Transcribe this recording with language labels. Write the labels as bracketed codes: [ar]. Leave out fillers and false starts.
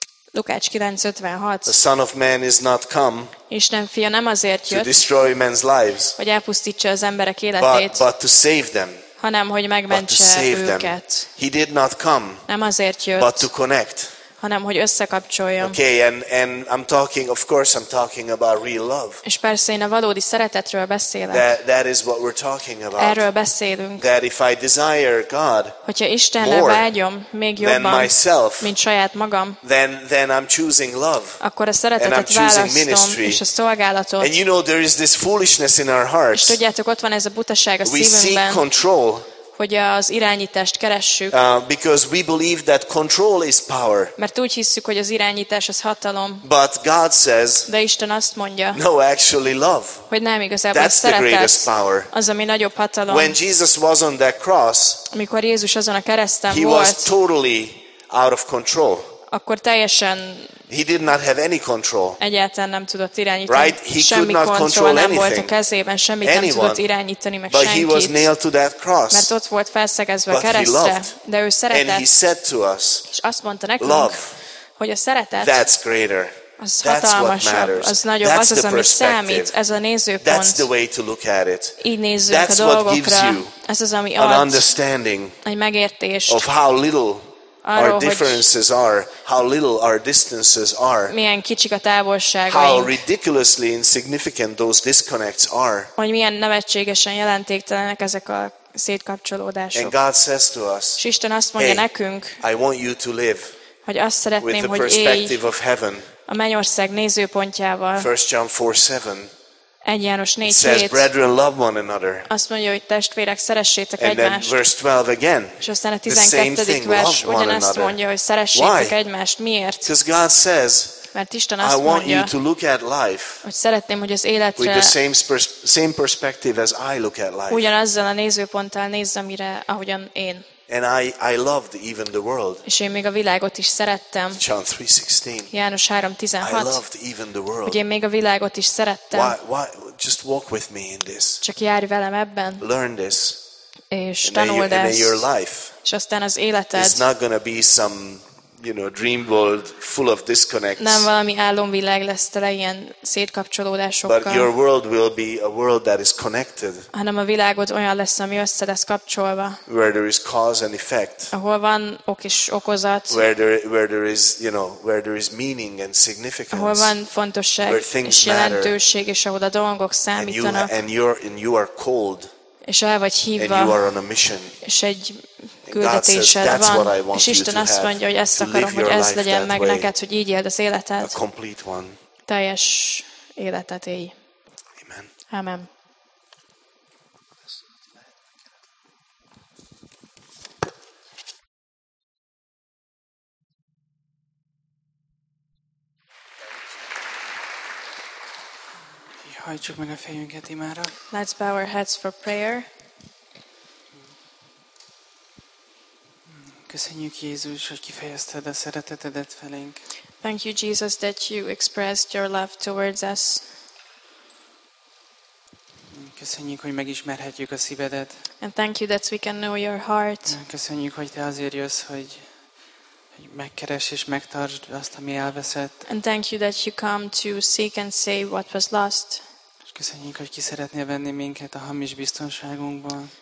[hu] Lukács 9:56. [en] The Son of Man is not come. [hu] Isten fia nem azért jött, [en] to destroy men's lives, [hu] hogy elpusztítsa az emberek életét, [en] but to save them, [hu] hanem hogy megmentse őket. [en] Them. He did not come, [hu] nem azért jött, [en] but to connect, [hu] hanem hogy összekapcsoljam. [en] Okay, and I'm talking, of course I'm talking about real love. [hu] És persze én a valódi szeretetről beszélek. [en] That is what we're talking about. [hu] Erről beszélünk. [en] That if I desire God, [hu] hogyha Istenre vágyom még jobban, [en] myself, [hu] mint saját magam, [en] then I'm choosing love. [hu] Akkor a szeretetet választom, [en] ministry. [hu] És a szolgálatot. [en] And you know, there is this foolishness in our hearts. [hu] És tudjátok, ott van ez a butaság a szívünkben. [en] We seek control, [hu] hogy az irányítást keressük. [en] Because we believe that control is power. [hu] Mert úgy hisszük, hogy az irányítás az hatalom. [en] But God says, [hu] de Isten azt mondja, [en] no, actually love. [hu] Hogy nem igazából [en] that's [hu] szeretet. [en] The greatest power. [hu] Az, ami nagyobb hatalom. [en] When Jesus was on that cross, [hu] amikor Jézus azon a kereszten [en] he [hu] volt, [en] was totally out of control. [hu] Akkor teljesen [en] he did not have any control. [hu] Egyáltalán nem tudott irányítani. [en] Right? He [hu] semmi [en] could not control [hu] nem [en] anything. [hu] Volt a kezében, semmit [en] anyone, [hu] nem tudott irányítani, meg [en] but [hu] senkit. [en] He was nailed to that cross. [hu] Mert ott volt felszegezve [en] but [hu] a keresztre. [en] He loved. [hu] De ő szeretett. [en] And he said to us, [hu] és azt mondta nekünk, [en] love, [hu] hogy a szeretet, [en] that's greater. [hu] Az hatalmasabb, az nagyobb, [en] that's [hu] az, ami számít. Ez a nézőpont. [en] That's the way to look at it. [hu] Így nézzük [en] that's [hu] a dolgokra. [en] What gives you [hu] ez az, ami [en] an [hu] ad [en] understanding [hu] egy megértést. [en] Of how little [hu] arról, [en] our differences are, how little our distances are, [hu] milyen kicsik a távolságaink, [en] how ridiculously insignificant those disconnects are, [hu] hogy milyen nevetségesen jelentéktelenek ezek a szétkapcsolódások. [en] And God says to us, [hu] és Isten azt mondja [en] hey, [hu] nekünk, [en] I want you to live, [hu] hogy azt szeretném, [en] with the [hu] hogy [en] perspective [hu] élj [en] of heaven, [hu] a mennyország nézőpontjával. [en] 1 John 4:7. [hu] 1 János 4:7. [en] Says, brethren, love one another. [hu] Azt mondja, hogy testvérek, szeressétek [en] and [hu] egymást. [en] Verse 12 again. [hu] És aztán a 12. vers ugyanazt mondja, hogy szeressétek [en] why? [hu] Egymást. Miért? [en] Because God says, [hu] mert Isten azt [en] I want [hu] mondja, [en] you to look at life, [hu] hogy szeretném, hogy az életre [en] with the same perspective as I look at life. [hu] Ugyanazzal a nézőponttal nézzem, mire, ahogyan én. [en] And I loved even the world. [hu] És én még a világot is szerettem. [en] John 3:16. [hu] János 3:16. [en] I loved even the world. [hu] Hogy én még a világot is szerettem. [en] Why? Just walk with me in this. [hu] Csak járj velem ebben. [en] Learn this. [hu] És tanuld ezt. [en] And your life. [hu] És aztán az életed. [en] It's not gonna be some, you know, dream world full of disconnects. [hu] Nem valami álomvilág lesz tele ilyen szétkapcsolódásokkal. [en] But your world will be a world that is connected. [hu] Hanem a világod olyan lesz, ami össze lesz kapcsolva. [en] Where there is cause and effect. [hu] Ahol van ok és okozat. [en] Where there is, you know, where there is meaning and significance. [hu] Ahol van fontosság [en] where things [hu] és jelentőség, és ahol a dolgok számítanak. [en] And you are called. [hu] És el vagy hívva. [en] And you are on a mission. [hu] És egy küldetésed van, és Isten azt mondja, hogy ezt akarom, hogy ez legyen meg neked, hogy így éld az életed. [en] A complete one. [hu] Teljes életet élj. [en] Amen. [hu] Amen. Hajtsuk meg a fejünket imára. [en] Let's bow our heads for prayer. [hu] Köszönjük Jézus, hogy kifejezted a szeretetedet felénk. [en] Thank you Jesus that you expressed your love towards us. [hu] Köszönjük, hogy megismerhetjük a szívedet. [en] And thank you that we can know your heart. [hu] Köszönjük, hogy te azért jössz, hogy megkeress és megtartsd azt, ami elveszett. [en] And thank you that you come to seek and save what was lost. [hu] Köszönjük, hogy ki szeretnél venni minket a hamis biztonságunkból.